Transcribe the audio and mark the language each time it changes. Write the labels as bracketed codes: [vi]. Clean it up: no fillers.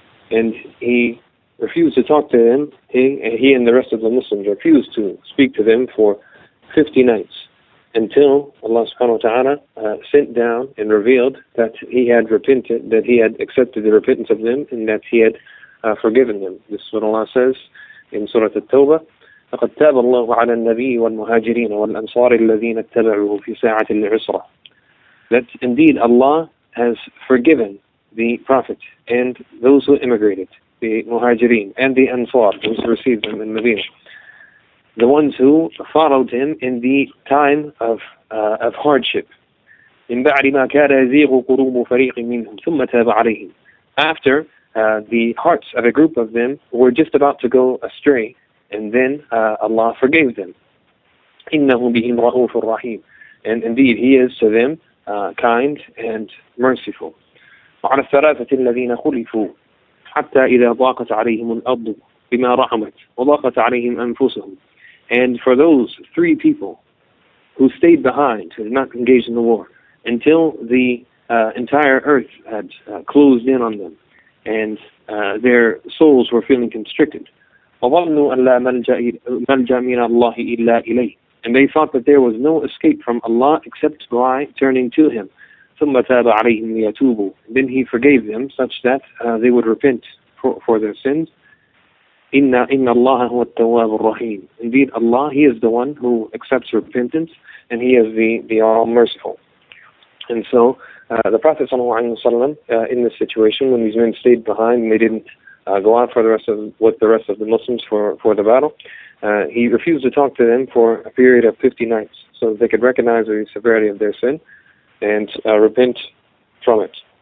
[en] And he refused to talk to them. He and the rest of the Muslims refused to speak to them for 50 nights until Allah subhanahu wa ta'ala sent down and revealed that he had repented, that he had accepted the repentance of them, and that he had forgiven them. This is what Allah says in Surah At-Tawbah, [ar] لَقَدْ تَابَ اللَّهُ عَلَى النَّبِيِّ وَالْمُهَاجِرِينَ وَالْأَنصَارِ الَّذِينَ اتَّبَعُوهُ فِي سَاعَةِ الْعُسْرَةِ. [en] That indeed Allah has forgiven the Prophet and those who immigrated, the Muhajirin and the Ansar, those who received him in Medina, the ones who followed him in the time of hardship. [ar] مِنْ بَعْدِ مَا كَادَ يَزِيغُ قُلُوبُ فَرِيقٍ مِّنْهُمْ ثُمَّ تَابَ عَلَيْهِمْ. [en] After the hearts of a group of them were just about to go astray, and then Allah forgave them. [ar] إِنَّهُ بِهِمْ رَؤُوفُ الرَّحِيمُ. [en] And indeed, he is to them kind and merciful. [ar] وعلى الثلاثة الذين خلفوا حتى إذا ضاقت عليهم الأرض بما رحمت وضاقت عليهم أنفسهم. [en] And for those three people who stayed behind, who did not engage in the war, until the entire earth had closed in on them and their souls were feeling constricted. [ar] وظنوا أن لا ملجأ من الله إلا إليه. [en] And they thought that there was no escape from Allah except by turning to Him. [ar] ثم تاب عليهم ليتوبوا. [en] Then He forgave them such that they would repent for their sins. [ar] إن الله هو التواب الرحيم. [en] Indeed, Allah, He is the one who accepts repentance, and He is the all-merciful. And so, the Prophet ﷺ, in this situation, when these men stayed behind and they didn't go out with the rest of the Muslims for the battle, he refused to talk to them for a period of 50 nights so that they could recognize the severity of their sin and repent from it.